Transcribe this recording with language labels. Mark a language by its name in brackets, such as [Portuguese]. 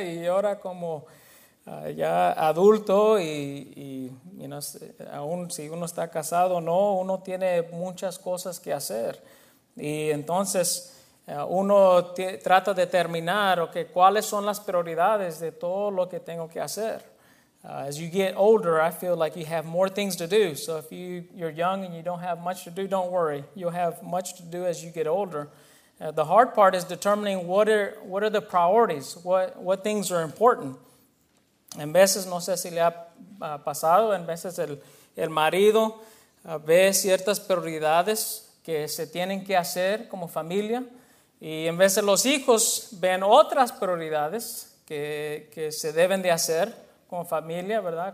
[Spanish] Y ahora como ya adulto y no sé, aún si uno está casado o no, uno tiene muchas cosas que hacer. Y entonces uno trata de determinar okay, cuáles son las prioridades de todo lo que tengo que hacer. [English] As you get older, I feel like you have more things to do. So if you're young and you don't have much to do, don't worry. You'll have much to do as you get older. The hard part is determining what are the priorities, what things are important. [Spanish] En veces, no sé si le ha pasado, en veces el marido ve ciertas prioridades que se tienen que hacer como familia. Y en veces los hijos ven otras prioridades que se deben de hacer como familia, ¿verdad?